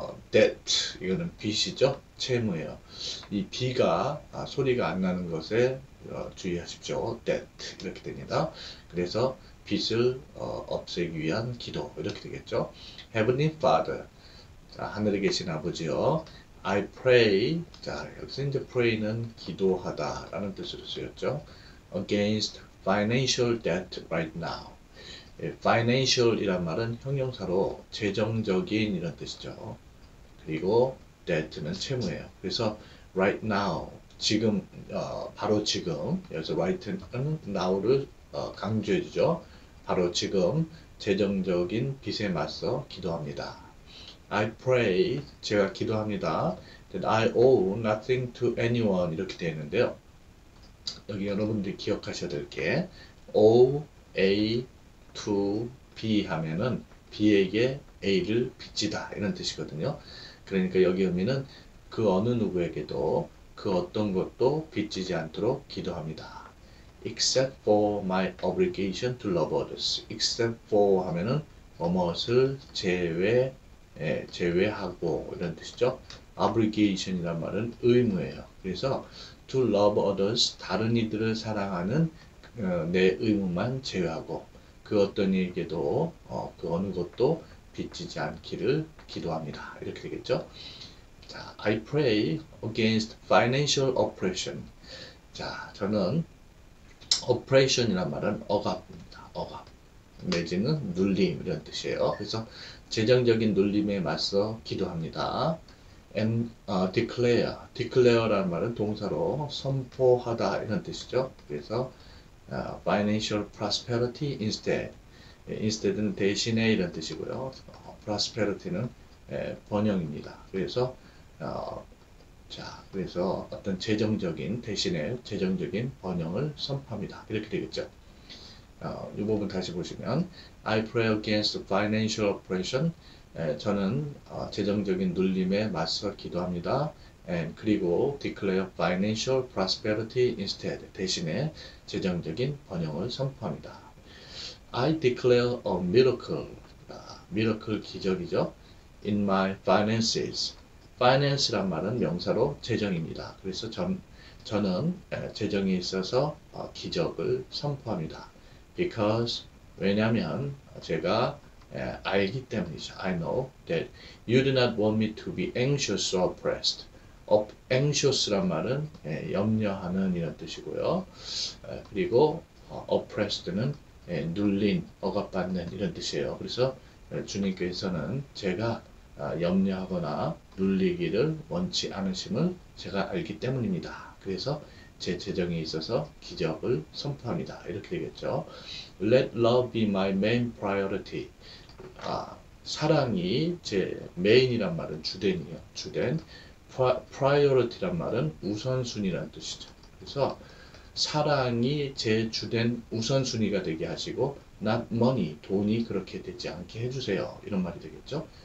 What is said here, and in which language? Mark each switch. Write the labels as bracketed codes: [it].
[ko] debt 이거는 빚이죠. 채무예요. 이 비가 소리가 안 나는 것에 주의하십시오. debt 이렇게 됩니다. 그래서 빚을 없애기 위한 기도 이렇게 되겠죠. [en] Heavenly Father. [ko] 자, 하늘에 계신 아버지요. [en] I pray. [ko] 자, 여기서 이제 pray는 기도하다라는 뜻으로 쓰였죠. [en] Against financial debt right now. [ko] financial이란 말은 형용사로 재정적인 이런 뜻이죠. 그리고 debt는 채무예요. 그래서 right now, 지금, 바로 지금, 여기서 right는 now를 강조해 주죠. 바로 지금 재정적인 빚에 맞서 기도합니다. [en] I pray, [ko] 제가 기도합니다. [en] That I owe nothing to anyone [ko] 이렇게 되어 있는데요. 여기 여러분들이 기억하셔야 될 게, owe A to B 하면은 B에게 A를 빚지다 이런 뜻이거든요. 그러니까 여기 의미는 그 어느 누구에게도 그 어떤 것도 빚지지 않도록 기도합니다. [en] Except for my obligation to love others. [ko] Except for 하면은 무엇을 제외 제외하고 이런 뜻이죠. Obligation이란 말은 의무예요. 그래서 [en] to love others, [ko] 다른 이들을 사랑하는 내 의무만 제외하고 그 어떤 이에게도 그 어느 것도 빚지지 않기를 기도합니다. 이렇게 되겠죠. [en] 자, I pray against financial oppression. [ko] 자, 저는 oppression이란 말은 억압입니다. 억압. 내지는 눌림 이런 뜻이에요. 그래서 재정적인 눌림에 맞서 기도합니다. And declare라는 말은 동사로 선포하다 이런 뜻이죠. 그래서 [en] financial prosperity instead [ko] 는 대신에 이런 뜻이고요. prosperity는 번영입니다. 그래서 그래서 어떤 재정적인 대신에 재정적인 번영을 선포합니다. 이렇게 되겠죠. 이 부분 다시 보시면, [en] I pray against financial oppression. [ko] 저는 재정적인 눌림에 맞서 기도합니다. [en] And 그리고 declare financial prosperity instead. [ko] 대신에 재정적인 번영을 선포합니다. [en] I declare a miracle. [ko] miracle 기적이죠. [en] In my finances. [ko] finance란 말은 명사로 재정입니다. 그래서 저는 재정에 있어서 기적을 선포합니다. Because, 왜냐면, 제가 알기 때문이죠. [en] I know that you do not want me to be anxious or oppressed. [ko] anxious란 말은 염려하는 이런 뜻이고요. 그리고 oppressed는 눌린, 억압받는 이런 뜻이에요. 그래서 주님께서는 제가 염려하거나 눌리기를 원치 않으심을 제가 알기 때문입니다. 그래서 제 재정에 있어서 기적을 선포합니다. 이렇게 되겠죠. [en] Let love be my main priority. [ko] 사랑이 제 메인이란 말은 주된이요. 주된. priority란 말은 우선순위란 뜻이죠. 그래서 사랑이 제 주된 우선순위가 되게 하시고, [en] not money, [ko] 돈이 그렇게 되지 않게 해주세요. 이런 말이 되겠죠.